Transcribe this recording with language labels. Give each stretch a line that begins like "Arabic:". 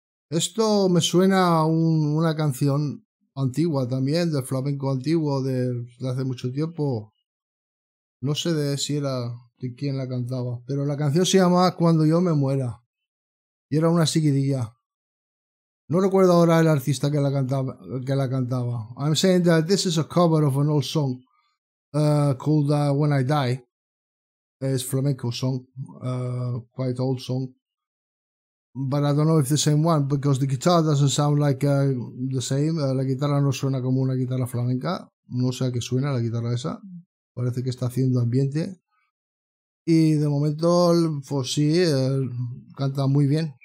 Spanish: Esto me suena a una canción antigua también, de flamenco antiguo, de hace mucho tiempo. No sé de si era de quién la cantaba, pero la canción se llamaba Cuando yo me muera. Y era una seguidilla. No recuerdo ahora el artista que la cantaba.
English: I'm saying that this is a cover of an old song, called When I Die. Es flamenco song, quite old song, but I don't know if the same one because the guitar doesn't sound like the same.
Spanish: La guitarra no suena como una guitarra flamenca, no sé a qué suena la guitarra esa. Parece que está haciendo ambiente y de momento, pues sí, canta muy bien.